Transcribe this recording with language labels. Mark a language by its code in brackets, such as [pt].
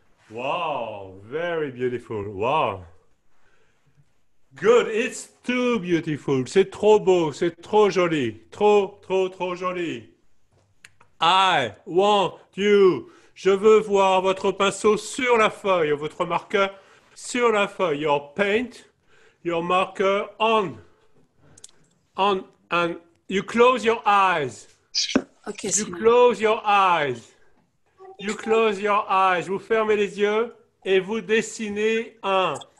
[en] Wow, very beautiful, wow. Good, it's too beautiful. [fr] C'est trop beau, c'est trop joli. Trop joli. [en] I want you. [fr] Je veux voir votre pinceau sur la feuille, votre marqueur sur la feuille. [en] Your paint, your marker on, and you close your eyes. Okay. You close your eyes. You close your eyes. [fr] Vous fermez les yeux et vous dessinez un.